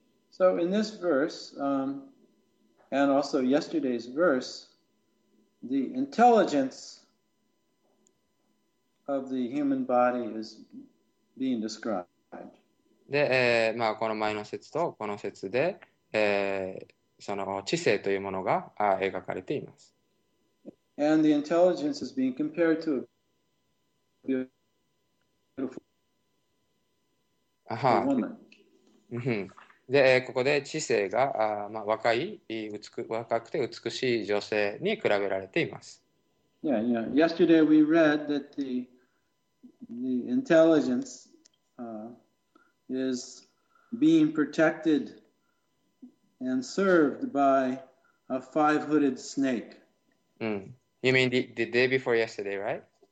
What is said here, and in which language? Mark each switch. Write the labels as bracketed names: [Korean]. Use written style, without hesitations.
[English] So in this verse, and also yesterday's verse,The intelligence of the human body is being described. [Japanese] で、まあ、この前の説とこの説で、その知性というものが描かれています。 [English] And the intelligence is being compared to a beautiful woman. [Japanese] で、ここで知性が、まあ、若くて美しい女性に比べられています。 [English] Yeah, yeah. Yesterday we read that the intelligence is being protected and served by a five-hooded snake. You mean the day before yesterday, right?